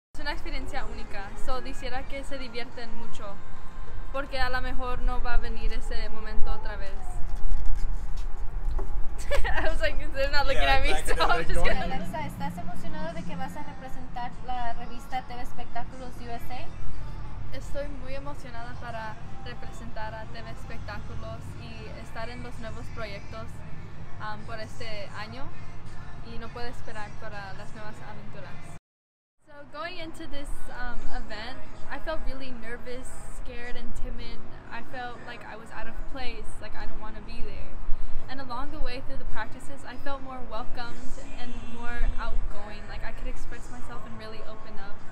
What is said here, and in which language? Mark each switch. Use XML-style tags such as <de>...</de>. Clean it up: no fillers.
<es>Experiencia única, so quisiera que se divierten mucho, porque a lo mejor no va a venir ese momento otra vez.</es> <en>I was like, they're not looking at me, so I'm just gonna...</en> <es>Alexa, ¿estás emocionada de que vas a representar la revista TV Espectáculos USA? Estoy muy emocionada para representar a TV Espectáculos y estar en los nuevos proyectos por este año, y no puedo esperar para las nuevas aventuras.</es> <en>So going into this event, I felt really nervous, scared, and timid. I felt like I was out of place, like I don't want to be there. And along the way through the practices, I felt more welcomed and more outgoing, like I could express myself and really open up.</en>